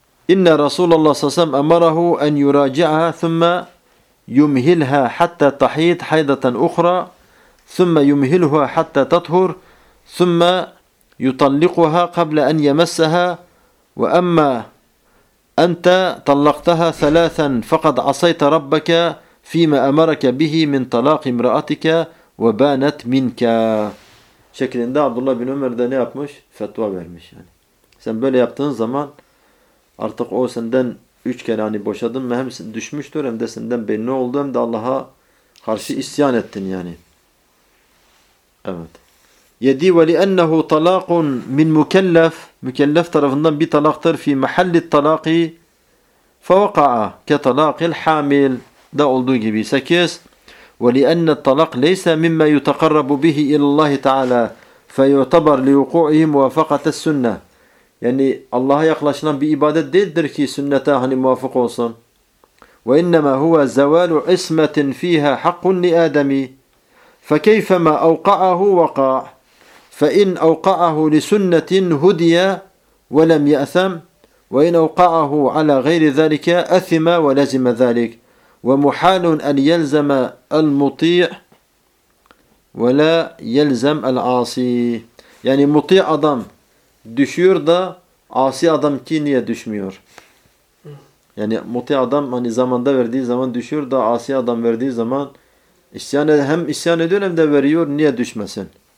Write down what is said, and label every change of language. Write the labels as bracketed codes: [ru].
[ar] إن رسول الله صلى الله عليه وسلم أمره أن يراجعها ثم يمهلها حتى تحيض حيضة أخرى ثم يمهلها حتى تطهر ثم يطلقها قبل أن يمسها وأما أنت طلقتها ثلاثا فقد عصيت ربك فيما أمرك به من طلاق امرأتك وبانت منك [tr] şeklinde Abdullah bin Ömer de ne yapmış? Fetva vermiş yani. Sen böyle yaptığın zaman artık o senden üç kere hani boşadın mı, hem düşmüştür hem de senden belli oldu, hem de Allah'a karşı isyan ettin yani. Evet. [ar] يدي ولأنه طلاق من مكلف مكلف [tr] طرفından bir talaktır [ar] في محل الطلاق فوقع كطلاق الحامل [tr] da olduğu gibi. 8. [ar] ولأن الطلاق ليس مما يتقرب به إلى الله تعالى فيعتبر لوقوعه موافقة السنة. [tr] Yani Allah'a yaklaşılan bir ibadet değildir ki sünnete hani muvafık olsun. [ar] وإنما هو زوال عصمة فيها حق لآدم فكيفما أوقعه وقع فإن أوقعه لسنة هدية ولم يأثم وإن أوقعه على غير ذلك أثم ولزم ذلك ومحال أن يلزم المطيع ولا يلزم العاصي. يعني مطيع [tr] adam düşüyor da asi adam ki niye düşmüyor? Yani mutiy adam hani zamanda verdiği zaman düşüyor da asi adam verdiği zaman isyan ediyor, hem isyan ediyor hem de veriyor, niye düşmesin?